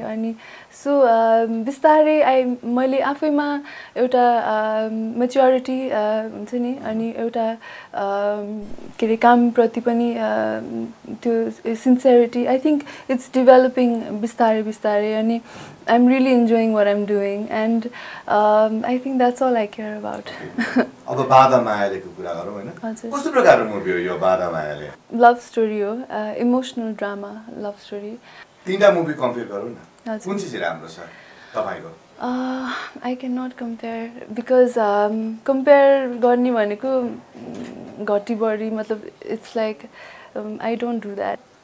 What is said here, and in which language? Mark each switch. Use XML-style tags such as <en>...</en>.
<ne>अनि सो बिस्तारै मैले आफैमा एउटा मेच्योरिटी हुन्छ नि, अनि एउटा के अरे कामप्रति पनि त्यो sincerity,</ne> <en>I think it's developing</en> <ne>बिस्तारै बिस्तारै.</ne> <en>अनि I am really enjoying what I am doing, and I think that's all I care about.</en> <ne>अब बादामा आएको कुरा गरौँ होइन. कस्तो प्रकारको मुभी हो यो बादामा आएले? लभ स्टोरी हो, इमोसनल ड्रामा लभ स्टोरी. तिनवटा मुभी कम्पेयर गरौँ न, कुन चाहिँ राम्रो छ तपाईँको?</ne> <en>I can not compare, because compare</en> <ne>गर्ने भनेको घटी बढी, मतलब</ne> <en>It's like I don't do that.</en>